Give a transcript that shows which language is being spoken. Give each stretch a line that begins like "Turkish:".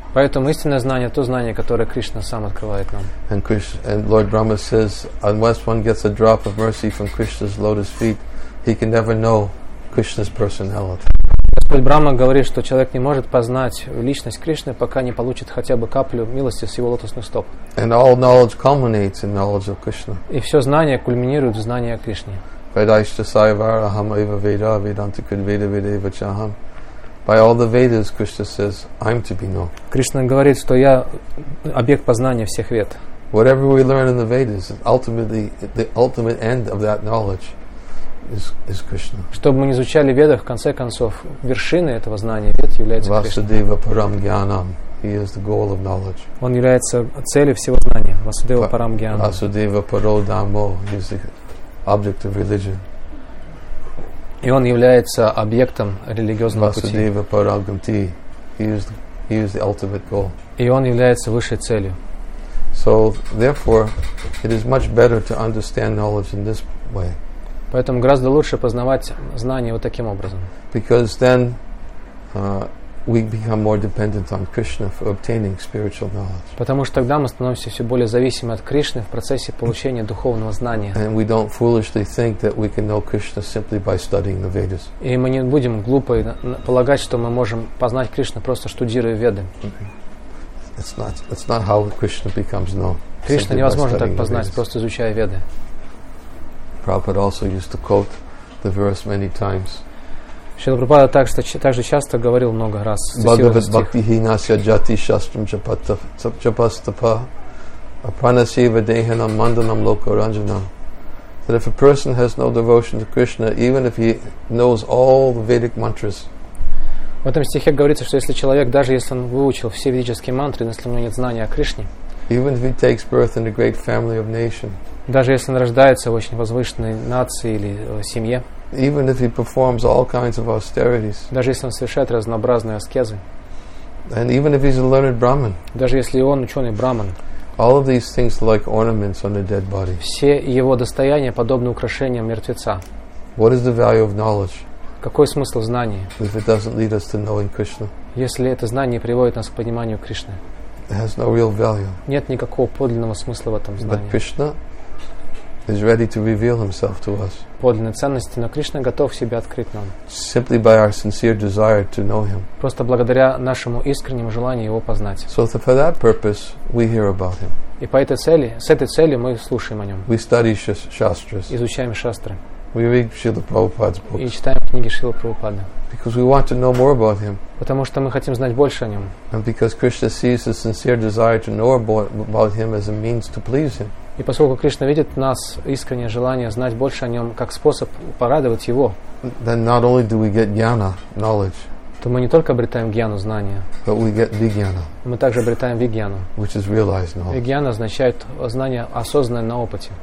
Russian: Поэтому истинное знание то знание, которое Кришна сам открывает нам.
English: And Krishna, and Lord Brahma says, unless one gets a drop of mercy from Krishna's lotus feet, he can never know Krishna's personality.
Russian: Господь Брама говорит, что человек не может познать личность Кришны, пока не получит хотя бы каплю милости с его лотосных стоп.
English: And all knowledge culminates in knowledge of Krishna.
Russian: И все знание кульминирует в знании о Кришне.
Sanskrit: Vedaishta saivara aham eva veda vedanta kudveda veda eva chaham.
English: By all the Vedas, Krishna says, I'm to be known.
Russian: Кришна говорит, что я объект познания всех вед.
English: Whatever we learn in the Vedas, ultimately, the ultimate end of that knowledge is Krishna.
Russian: Что бы мы ни изучали в Ведах, в конце концов, вершиной этого знания Вед является Кришна.
Sanskrit: Васудева парам гьянам.
English: He is the goal of knowledge.
Russian: Он является целью всего знания.
Sanskrit: Васудева парам гьянам. Васудева паро дамо.
English: He is the object of religion.
Russian: И он является объектом религиозного пути.
Sanskrit: Васудева парам гамти.
English: He is the ultimate goal.
Russian: И он является высшей целью.
English: So, therefore, it is much better to understand knowledge in this way.
Russian: Поэтому гораздо лучше познавать знания вот таким образом.
English: Because then we become more dependent on Krishna for obtaining spiritual knowledge.
Russian: Потому что тогда мы становимся все более зависимы от Кришны в процессе получения духовного знания.
English: And we don't foolishly think that we can know Krishna simply by studying the Vedas.
Russian: И мы не будем глупо полагать, что мы можем познать Кришну просто штудируя Веды.
English: That's not how Krishna becomes known.
Russian: Кришна невозможно так познать, просто изучая Веды.
English: Prabhupada also used to quote the verse many times.
Russian: Шрила Прабхупада также часто говорил много раз.
Sanskrit: Bhagavat bhaktihi nasya jati shastram chapastapa apranasiva dehanam mandanam lokaranjanam.
English: That if a person has no devotion to Krishna, even if he knows all the Vedic mantras.
Russian: В этом стихе говорится, что если человек, даже если он выучил все ведические мантры, если у него нет знания о Кришне,
English: even if he takes birth in a great family of nation,
Russian: даже если он рождается в очень возвышенной нации или семье,
English: even if he performs all kinds of austerities,
Russian: даже если он совершает разнообразные аскезы,
English: and even if he's a learned brahmin,
Russian: даже если он ученый брахман,
English: all of these things like ornaments on a dead body,
Russian: все его достояния подобны украшениям мертвеца.
English: What is the value of knowledge?
Russian: Какой смысл знания?
English: If it doesn't lead us to knowing Krishna,
Russian: если это знание приводит нас к пониманию Кришны,
English: it has no real value.
Russian: Нет никакого подлинного смысла в этом знании.
English: But Krishna is ready to reveal himself to us.
Russian: Подлинные ценности, но Кришна готов себя открыть нам.
English: Simply by our sincere desire to know him.
Russian: Просто благодаря нашему искреннему желанию его познать.
English: So for that purpose, we hear about him.
Russian: И по этой цели, с этой целью мы слушаем о нем.
English: We study shastras.
Russian: Изучаем шастры.
English: We read Śrīla Prabhupāda's books.
Russian: И читаем книги Шрилы Прабхупады.
English: Because we want to know more about him.
Russian: Потому что мы хотим знать больше о нем.
English: And because Krishna sees the sincere desire to know about him as a means to please him.
Russian: И поскольку Кришна видит в нас искреннее желание знать больше о нем как способ порадовать его,
English: then not only do we get jnana, knowledge,
Russian: то мы не только обретаем гьяну, знание,
English: but we get vijnana,
Russian: мы также обретаем вигьяну,
English: which is realized knowledge.
Russian: Вигьяна означает знание, осознанное на опыте.